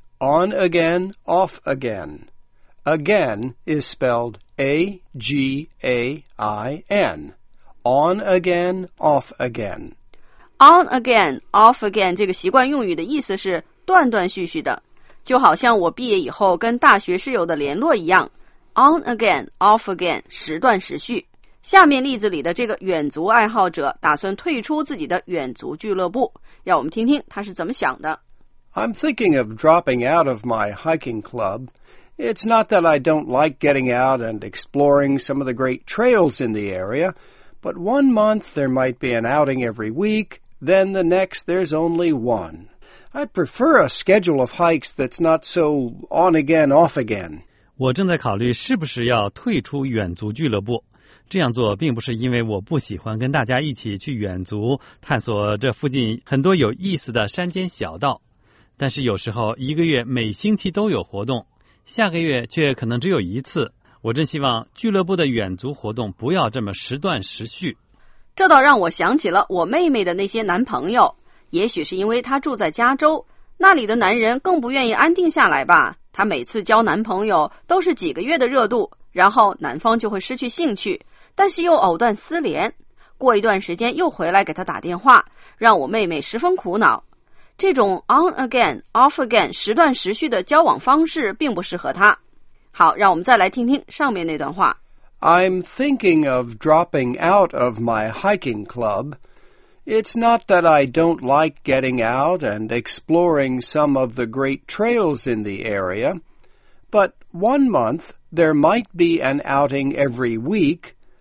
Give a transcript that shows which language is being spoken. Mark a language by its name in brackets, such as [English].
[English] On again, off again. Again is spelled A-G-A-I-N. On again, off again [Chinese] On again, off again 这个习惯用语的意思是断断续续的，就好像我毕业以后跟大学室友的联络一样。 [English] On again, off again, [Chinese] 时断时续。下面例子里的这个远足爱好者打算退出自己的远足俱乐部，让我们听听他是怎么想的。 [English] I'm thinking of dropping out of my hiking club. It's not that I don't like getting out and exploring some of the great trails in the area,But one month there might be an outing every week, then the next there's only one. I prefer a schedule of hikes that's not so on again, off again. [Chinese] 我正在考虑是不是要退出远足俱乐部。这样做并不是因为我不喜欢跟大家一起去远足，探索这附近很多有意思的山间小道。但是有时候一个月每星期都有活动，下个月却可能只有一次。我真希望俱乐部的远足活动不要这么时断时续。这倒让我想起了我妹妹的那些男朋友，也许是因为她住在加州，那里的男人更不愿意安定下来吧。她每次交男朋友都是几个月的热度，然后男方就会失去兴趣，但是又藕断丝连，过一段时间又回来给她打电话，让我妹妹十分苦恼。这种 on again, off again, 时断时续的交往方式并不适合她。好，让我们再来听听上面那段话。 [English] I'm thinking of dropping out of my hiking club. It's not that I don't like getting out and exploring some of the great trails in the area, But 1 month, there might be an outing every week.